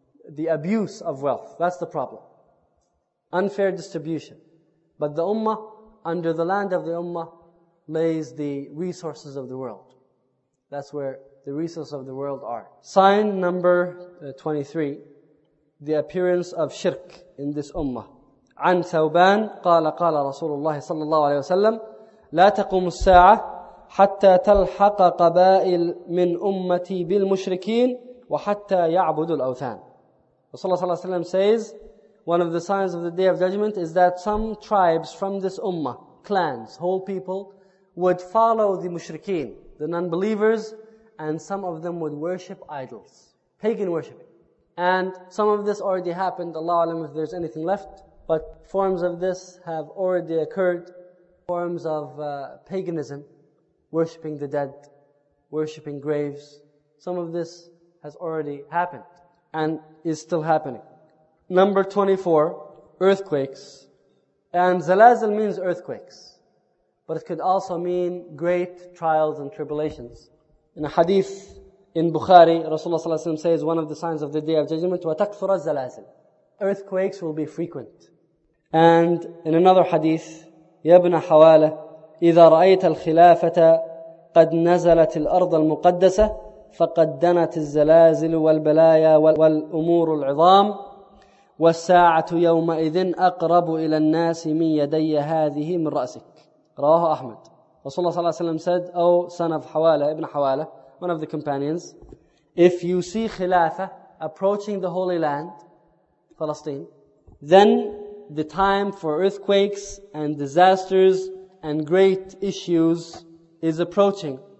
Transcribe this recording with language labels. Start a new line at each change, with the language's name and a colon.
English: The abuse of wealth, that's the problem. Unfair distribution. But the ummah, under the land of the ummah, lays the resources of the world. That's where the resources of the world are. Sign number 23, the appearance of shirk in this ummah.
Arabic: عن ثوبان قال قال رسول الله صلى الله عليه وسلم لا تقوم الساعة حتى تلحق قبائل من أمتي بالمشركين وحتى يعبدوا الأوثان.
English: Rasulullah
Arabic: صلى الله عليه وسلم
English: says, one of the signs of the Day of Judgment is that some tribes from this ummah, clans, whole people, would follow the mushrikeen, the non-believers, and some of them would worship idols, pagan worshiping. And some of this already happened, Allah alam if there's anything left, but forms of this have already occurred, forms of paganism, worshipping the dead, worshipping graves. Some of this has already happened and is still happening. Number 24, earthquakes. And zalazil means earthquakes, but it could also mean great trials and tribulations. In a hadith in Bukhari, Rasulullah ﷺ says, one of the signs of the Day of Judgment,
Arabic: وَتَكْثُرَ الزَّلَازِلِ.
English: Earthquakes will be frequent.
Arabic: And in another hadith, يَبْنَ حَوَالَ إِذَا رَأَيْتَ الْخِلَافَةَ قَدْ نَزَلَتِ الْأَرْضَ الْمُقَدَّسَةِ فَقَدْ دَنَتِ الزَّلَازِلُ وَالْبَلَايَا وَالْأُمُورُ الْعِظَامُ وَالسَّاعَةُ يَوْمَئِذٍ أَقْرَبُ إِلَى النَّاسِ مِنْ يَدَيَّ هَذِهِ مِنْ رَأْسِكَ. رواه أحمد.
English: Rasulullah
Arabic: صلى الله عليه وسلم
English: said, oh son of Hawala, Ibn Hawala, one of the companions, if you see Khilafah approaching the Holy Land, Palestine, then the time for earthquakes and disasters and great issues is approaching.